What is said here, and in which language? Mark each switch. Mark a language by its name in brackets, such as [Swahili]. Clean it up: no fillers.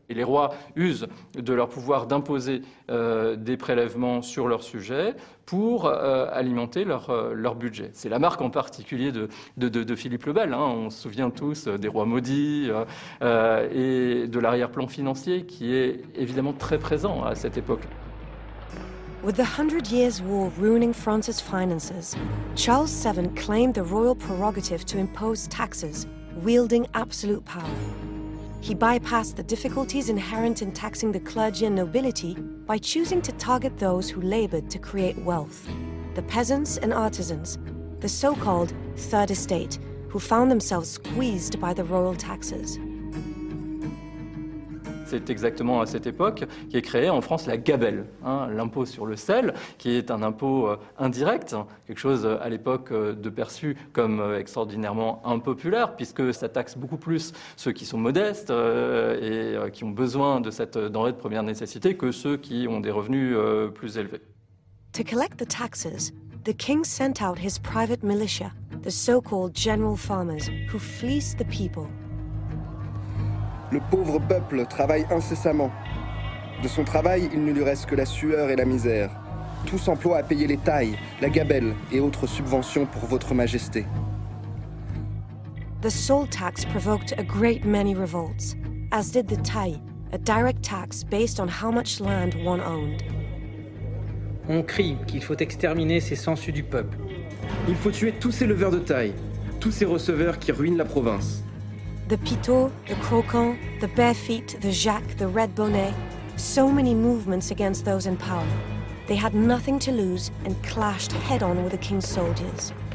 [French] Et les rois usent de leur pouvoir d'imposer des prélèvements sur leurs sujets pour alimenter leur budget. C'est la marque en particulier de Philippe le Bel, hein. On se souvient tous des rois maudits et de l'arrière-plan financier qui est évidemment très présent à cette époque. [English] With the Hundred Years' War ruining France's finances, Charles VII claimed the royal prerogative to impose taxes, wielding absolute power. He bypassed the difficulties inherent in taxing the clergy and nobility by choosing to target those who labored to create wealth, the peasants and artisans, the so-called Third Estate, who found themselves squeezed by the royal taxes. [French] C'est exactement à cette époque qu'est créée en France la gabelle, hein, l'impôt sur le sel, qui est un impôt indirect, quelque chose à l'époque de perçu comme extraordinairement impopulaire, puisque ça taxe beaucoup plus ceux qui sont modestes et qui ont besoin de cette denrée de première nécessité que ceux qui ont des revenus plus élevés. [English] To collect the taxes, the king sent out his private militia, the so-called general farmers, who fleeced the people. [French] Le pauvre peuple travaille incessamment. De son travail, il ne lui reste que la sueur et la misère. Tout s'emploie à payer les tailles, la gabelle et autres subventions pour votre majesté. [English] The salt tax provoked a great many revolts, as did the taille, a direct tax based on how much land one owned. [French] On crie qu'il faut exterminer ces sangsues du peuple. Il faut tuer tous ces leveurs de taille, tous ces receveurs qui ruinent la province. [English] The Pitot, the Croquant, the Barefeet, the Jacques, the Red Bonnet, so many movements against those in power. They had nothing to lose and clashed head-on with the king's soldiers.